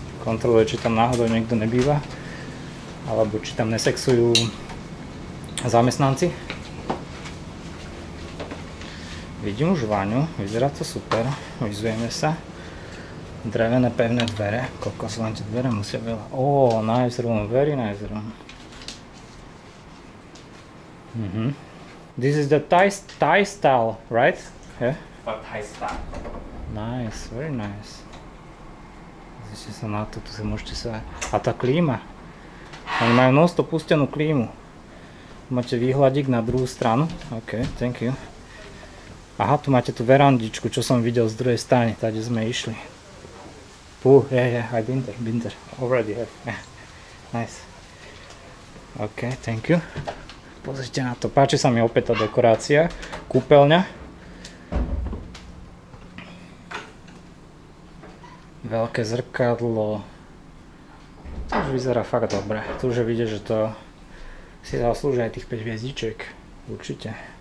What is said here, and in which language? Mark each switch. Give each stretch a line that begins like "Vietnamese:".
Slovak: Kontroluje, či tam náhodou niekto nebýva. Alebo či tam nesexujú zamestnanci. Vidím už vaňu, vyzerá to super, vyzujeme sa. Drevené pevné dvere, kokos, len tie dvere musia byť.
English: Oh, nice room, very nice room. Mm-hmm. This is the Thai style, right? Yeah? For Thai style. Nice, very nice.
Slovak: Zdešte sa na to, tu sa môžete sa... A tá klíma? Oni majú non-stop pustenú klímu. Máte výhľadík na druhú stranu.
English: OK, thank you.
Slovak: Aha, tu máte tú verandičku, čo som videl z druhej strany, tady sme išli.
English: Puh, yeah, yeah, I've been there, Already have, yeah. Nice. OK, thank you.
Slovak: Pozrite na to, páči sa mi opäť tá dekorácia. Kúpeľňa. Veľké zrkadlo. To už vyzerá fakt dobre. Tu už je vidieť, že to si zaslúži aj tých 5 hviezdičiek. Určite.